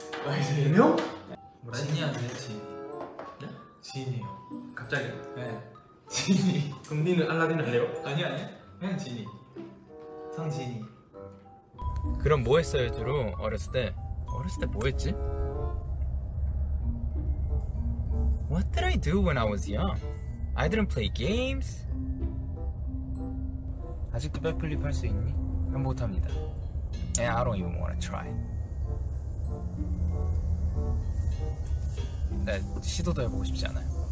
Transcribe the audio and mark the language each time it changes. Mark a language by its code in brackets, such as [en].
[ko] 아, 이제 예명? 뭐라 지니 아니에요? 지니. 네? 지니요. 갑자기요? 네. 지니. 그럼 니는 알라딘 할래요? 아니 아니. 그냥 지니. 성지니. 그럼 뭐 했어요 주로 어렸을 때? 어렸을 때 뭐 했지? [en] What did I do when I was young? I didn't play games. [ko] 아직도 백플립 할 수 있니? 난 못합니다. [en] And I don't even want to try. [ko] 나 시도도 해보고 싶지 않아요.